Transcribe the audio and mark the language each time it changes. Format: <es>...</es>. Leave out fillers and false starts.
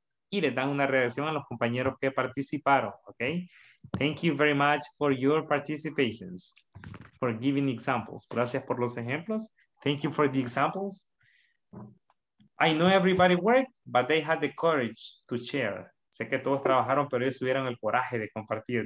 <es>Y le dan una reacción a los compañeros que participaron, okay?</es> <en>Thank you very much for your participations, for giving examples.</en> <es>Gracias por los ejemplos.</es> <en>Thank you for the examples. I know everybody worked, but they had the courage to share.</en> <es>Sé que todos trabajaron, pero ellos tuvieron el coraje de compartir.</es>